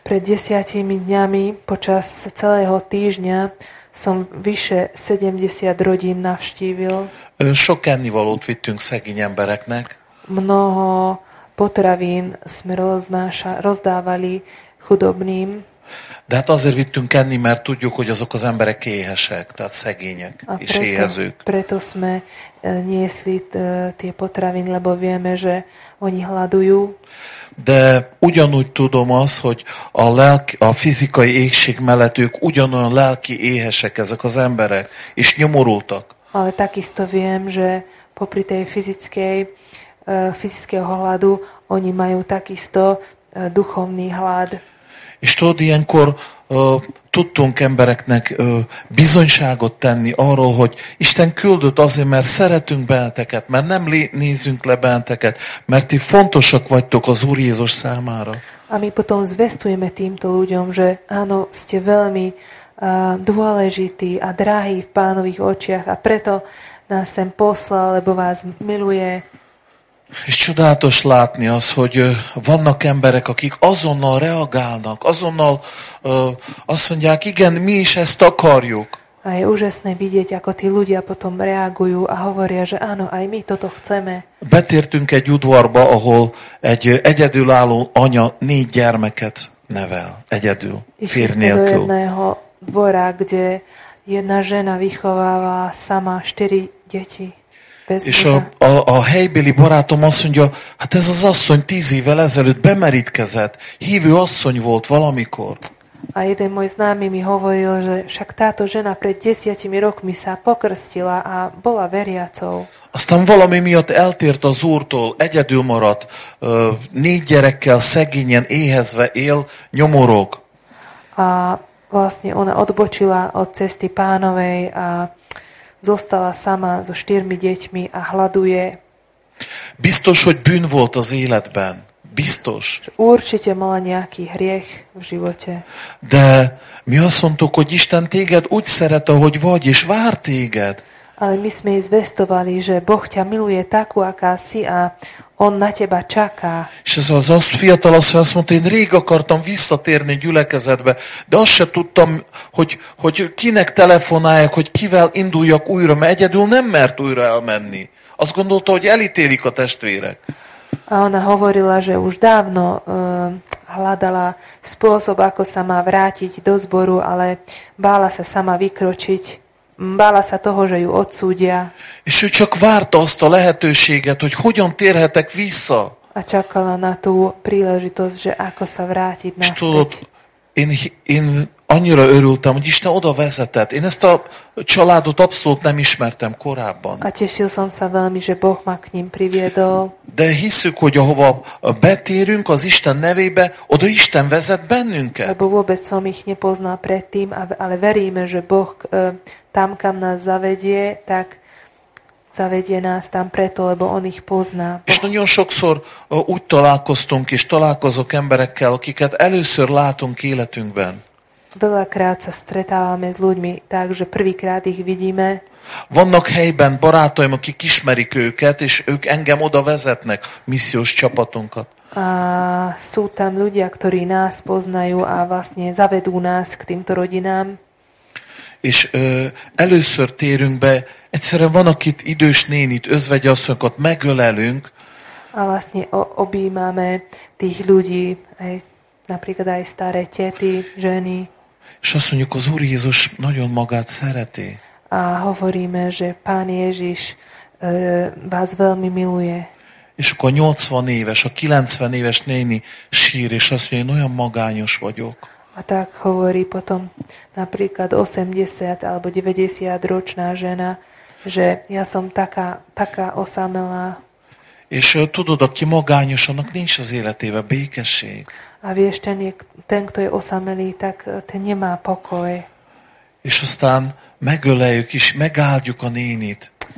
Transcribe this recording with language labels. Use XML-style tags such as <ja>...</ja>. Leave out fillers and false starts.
<sk>Pred 10 dňami, počas celého týždňa, som vyše 70 rodín navštívil.</sk> <hu>Sok ennivalót vittünk szegény embereknek.</hu> <sk>Mnoho potravín sme rozdávali chudobným.</sk> <hu>De hát azért vittünk enni, mert tudjuk, hogy azok az emberek éhesek, tehát szegények a és</hu> <sk>preto,</sk> <hu>éhezők.</hu> <sk>Preto sme niesli tie potraviny, lebo vieme, že oni hladujú.</sk> <hu>De ugyanúgy tudom az, hogy a fizikai éhség mellett ők ugyanolyan lelki éhesek ezek az emberek, és nyomorultak.</hu> <sk>Ale takisto viem, že popri tej fyzického hladu oni majú takisto duchovný hlad.</sk> <hu>És tudod, ilyenkor tudtunk embereknek bizonyságot tenni arról, hogy Isten küldött azért, mert szeretünk benneteket, mert nem nézünk le benneteket, mert ti fontosak vagytok az Úr Jézus számára. A mi potom zvestujeme týmto ľuďom, že áno, ste veľmi dôležití a drahí v Pánových očiach a preto nás sem poslal, lebo vás miluje. És csodálatos látni az, hogy vannak emberek, akik azonnal reagálnak, azonnal azt mondják, igen, mi is ezt akarjuk. A je úžasné vidieť, ako tí ľudia potom reagujú a hovoria, že áno, aj my toto chceme. Betértünk egy udvarba, ahol egy egyedülálló anya 4 gyermeket nevel, egyedül, fér nélkül. Išli sme do jedného dvora, kde jedna žena vychováva sama 4 deti. És a helybéli barátom azt mondja, hát ez az asszony 10 évvel ezelőtt bemerítkezett, hívő asszony volt valamikor. A jeden môj známy mi hovoril, že však táto žena pred 10 rokmi sa pokrstila a bola veriacou. Aztán valami miatt eltért az úrtól, egyedül maradt, 4 gyerekkel szegényen éhezve él, nyomorog. A vlastne ona odbočila od cesty Pánovej a zostala sama so 4 deťmi a hladuje. Biztos, hogy bűn volt az életben. Biztos.</hu> <sk>Určite mala nejaký hriech v živote.</sk> <hu>De mi azt mondtuk, hogy Isten téged úgy szeret, ahogy vagy, és vár téged.</hu> <sk>Ale my sme jej zvestovali, že Boh ťa miluje takú, aká si a on na teba čaká.</sk> <hu>És ez az azt fiatal asszony azt mondta, én rég akartam visszatérni gyülekezetbe, de azt se tudtam, hogy kinek telefonáljak, hogy kivel induljak újra, mert egyedül nem mert újra elmenni. Azt gondolta, hogy elítélik a testvérek.</hu> <sk>A ona hovorila, že už dávno hľadala spôsob, ako sa má vrátiť do zboru, ale bála sa sama vykročiť. Bála sa toho, že ju odsúdia.</sk> <hu>És ő csak várta azt a lehetőséget, hogy hogyan térhetek vissza.</hu> <sk>A čakala na tú príležitosť, že ako sa vrátiť naspäť.</sk> <hu>Én annyira örültem, hogy Isten oda vezetett. Én ezt a családot abszolút nem ismertem korábban.</hu> <sk>A tešil som sa veľmi, že Boh ma k ním priviedol.</sk> <hu>De hiszük, hogy ahova betérünk az Isten nevébe, oda Isten vezet bennünket.</hu> <sk>Lebo vôbec som ich nepoznal predtým, ale veríme, že Boh tam, kam nás zavedie, tak zavedie nás tam preto, lebo on ich pozná.</sk> <hu>És nagyon sokszor úgy találkoztunk és találkozok emberekkel, akiket először látunk életünkben.</hu> <sk>Veľakrát sa stretávame s ľuďmi, takže prvýkrát ich vidíme.</sk> <hu>Vannak helyben barátaim, akik ismerik őket, és ők engem oda vezetnek, missziós csapatunkat.</hu> <sk>A sú tam ľudia, ktorí nás poznajú a vlastne zavedú nás k týmto rodinám.</sk> <hu>És először térünk be, egyszerűen van, akit idős nénit, özvegyasszonyokat megölelünk.</hu> <sk>A vlastne objímame tých ľudí, napríklad aj staré tety, ženy.</sk> <hu>És azt mondjuk, az Úr Jézus nagyon magát szereti.</hu> <sk>A hovoríme, že Pán Ježiš vás veľmi miluje.</sk> <hu>És akkor 80 éves, a 90 éves néni sír, és azt mondja, én olyan magányos vagyok.</hu> <sk>A tak hovorí potom napríklad 80 alebo 90 ročná žena, že ja som taká osamelá.</sk> <hu>És tudod, aki magányos, annak nincs az életében békesség.</hu> <sk>A vieš, ten, kto je osamelý, tak ten nemá pokoj.</sk> <hu>És aztán megöleljük is, megáldjuk a nénit.</hu>